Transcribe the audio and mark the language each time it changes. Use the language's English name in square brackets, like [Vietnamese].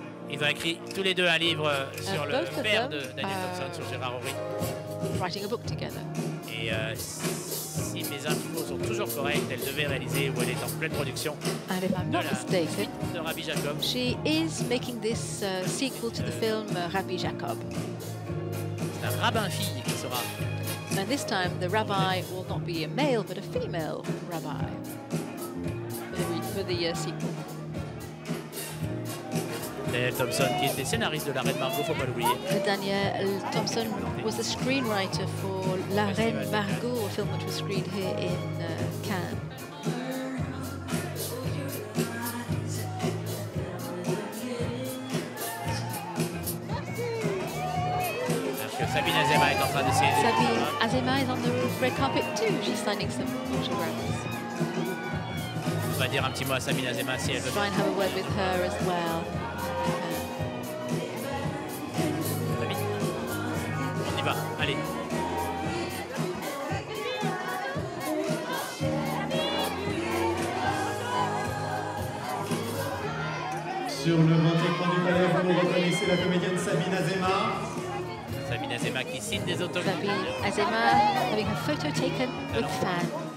[French] Ils ont écrit tous les deux un livre sur le père de Daniel Thompson, sur Gérard Horry. [English] Writing a book together. [French] Et si mes infos sont toujours correctes, elle devait réaliser ou elle est en pleine production. [English] And if I'm not mistaken, [French] de Rabbi Jacob. [English] She is making this sequel to the film Rabbi Jacob. [French] C'est un rabbin-fille qui sera. [English] And this time, the rabbi will not be a male, but a female rabbi. For the sequel. [French] Daniel Thompson, qui était scénariste de La Reine Margot, faut pas l'oublier. [English] Daniel Thompson was the screenwriter for La Reine Margot, a film which was screened here in Cannes. [French] Sabine Azéma est en train de signer. [English] Sabine Azéma is on the red carpet too. She's signing some autographs. [French] On va dire un petit mot à Sabine Azéma si elle veut. [English] Try and have a word with her as well. [French] Allez. Sur le grand écran du palais, vous reconnaissez la comédienne Sabine Azéma. Sabine Azéma qui signe des autographes. [English] Sabine Azéma having a photo taken with fans.